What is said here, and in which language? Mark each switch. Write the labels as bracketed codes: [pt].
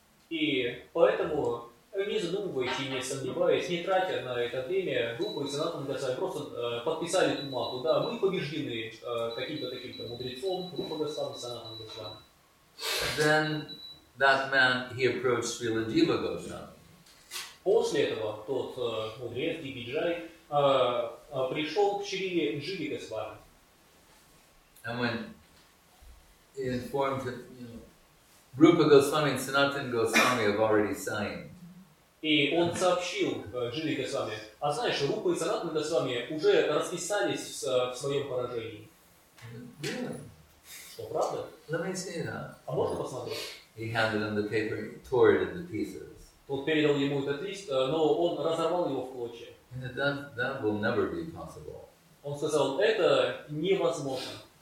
[ru] И поэтому, не задумываясь и не сомневаясь, не тратя на это время, Рупа и Санатан Гасвами просто подписали бумагу, да, мы побеждены каким-то мудрецом, Рупа Госвами, Санатан Гасвами. [en] Then that man, he approached Srila Jiva Goswami. [ru] После этого тот мудрец, Дибиджай, пришел к Шриле Дживе Госвами. [en] And when he informed him, Rupa Goswami and Sanatana Goswami have already signed. [ru] И он сообщил Дживи Госвами, а знаешь, Рупа и Санатана Госвами уже расписались в своем поражении. Что, правда? [en] Let me see that. [ru] А можно посмотреть? [en] He handed him the paper, tore it into pieces. [ru] Он передал ему этот лист, но он разорвал его в клочья. [en] And that will never be possible. [ru] Он сказал, это невозможно.